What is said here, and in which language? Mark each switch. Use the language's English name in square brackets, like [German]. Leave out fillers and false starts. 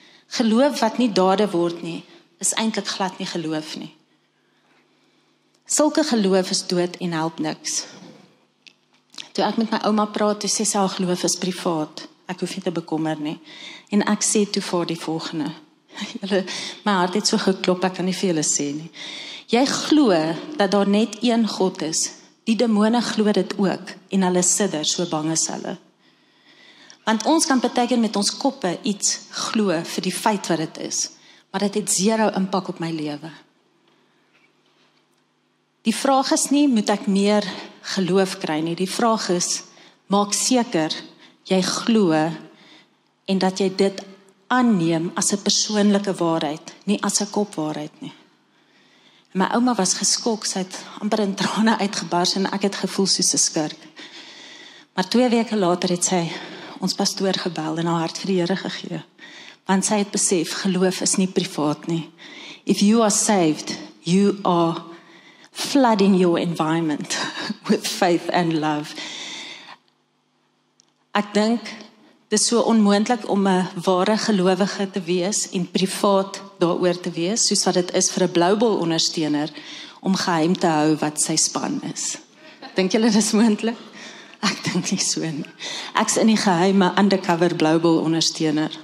[Afrikaans] Geloof wat nie dade word nie, is eintlik glad nie geloof nie. Sulke geloof is dood en help niks. Toe ek met my ouma praat, toe sê sy al geloof is privaat. Ek hoef nie te bekommer nie. En ek sê toe vir die volgende. My hart het so geklop, ek kan nie vir julle sê nie. Jy glo dat daar net een God is. Die demone glo dit ook en hulle sidder, so bang is hulle. Want ons kan beteken met ons koppe iets glo vir die feit wat dit is. Maar dit het zero impak op my lewe. Die vraag is nie, moet ek meer geloof kry nie. Die vraag is, maak seker jy glo en dat jy dit aanneem as 'n persoonlike waarheid, nie as 'n kopwaarheid nie. En my ouma was geskok, sy het amper in trane uitgebars en ek het gevoel soos 'n skurk. Maar 2 weke later het sy ons pastoor gebel en haar hart vir die Here gegee. Want sy het besef, geloof is nie privaat nie. [English] If you are saved, you are flooding your environment with faith and love. [Afrikaans] Ek dink, dit is so onmoontlik om 'n ware gelowige te wees en privaat daaroor te wees, soos wat dit is vir 'n Bloubol ondersteuner, om geheim te hou wat sy span is. Dink julle dit is moontlik? Ek dink nie so nie. Ek's in die geheime undercover Bloubol ondersteuner.